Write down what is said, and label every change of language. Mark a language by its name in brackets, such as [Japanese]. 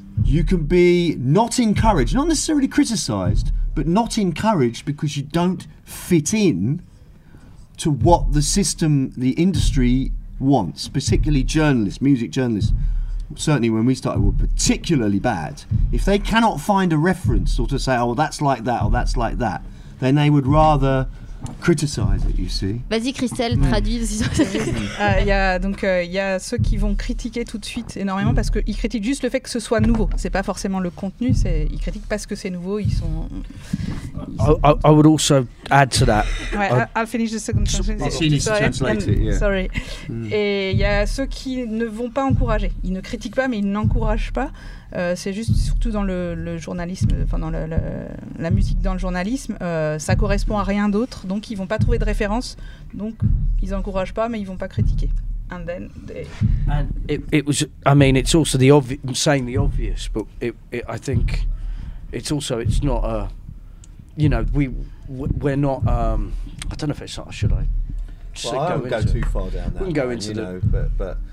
[English] you can be not encouraged, not necessarily criticised, but not encouraged because you don't fit in to what the system, the industry wants, particularly journalists, music journalists. Certainly when we started, were particularly bad. If they cannot find a reference or to say, oh, well, that's like that or that's like that, then they would rather criticize it, you see. [French] Vas-y, Christelle, traduis. Il y a ceux qui vont critiquer tout de suite énormément parce qu'ils critiquent juste le fait que ce soit nouveau. C'est pas forcément le contenu, ils critiquent parce que c'est nouveau. Ils sont. [English] I would also add to that. I'll finish the second translation. [French] Et il y a ceux qui ne vont pas encourager. Ils ne critiquent pas, mais ils n'encouragent pas. C'est juste surtout dans le journalisme, enfin dans la musique dans le journalisme, ça correspond à rien d'autre, donc ils vont pas trouver de référence, donc ils encouragent pas, mais ils vont pas critiquer. [English] And then it was, I mean, it's also the obvious, saying the obvious, but I think it's also it's not a, you know, we're not, I don't know if it's not, should I? Well, I won't go too far down that. We can go into the.